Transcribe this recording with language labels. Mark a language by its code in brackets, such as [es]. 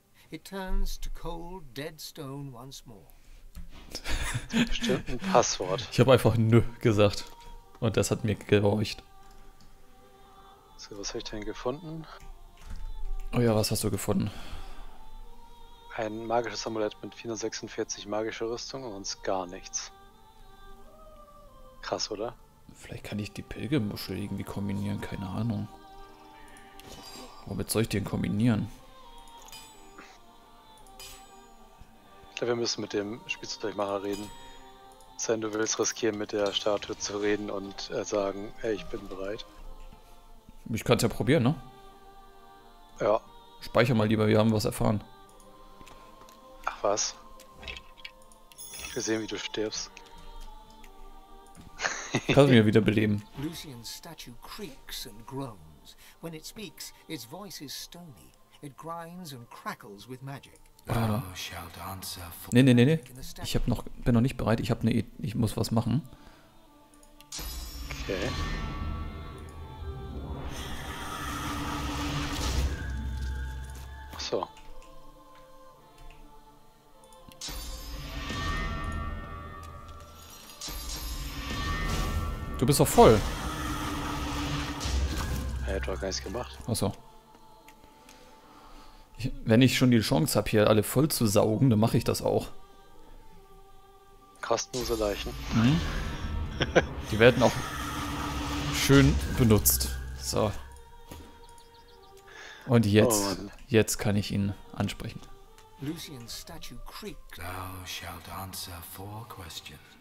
[en] It turns to cold, dead stone once more. [de] Bestimmt ein Passwort. Ich habe einfach nö gesagt. Und das hat mir gehorcht. So, was habe ich denn gefunden? Oh ja, was hast du gefunden? Ein magisches Amulett mit 446 magischer Rüstung und sonst gar nichts. Krass, oder? Vielleicht kann ich die Pilgermuschel irgendwie kombinieren, keine Ahnung. Womit soll ich den kombinieren? Ich glaube, wir müssen mit dem Spielzeugmacher reden. Sein, du willst riskieren, mit der Statue zu reden und sagen, hey, ich bin bereit. Ich kann es ja probieren, ne? Ja. Speicher mal lieber, wir haben was erfahren. Ach, Was? Wir sehen, wie du stirbst. Kannst du mir wieder beleben. [en] Lucian's statue creaks and groans. When it speaks, its voice is stony. It grinds and crackles with magic. [de] Nee. Ich hab noch, bin noch nicht bereit. Ich hab ne, ich muss was machen. Okay. Ach so. Du bist doch voll. Er hat doch gar nichts gemacht. Ach so. Wenn ich schon die Chance habe, hier alle voll zu saugen, dann mache ich das auch. Kostenlose Leichen. Mhm. Die werden auch schön benutzt. So. Und jetzt, oh, jetzt kann ich ihn ansprechen. [en] Lucian's statue creaked. Thou shalt answer four questions.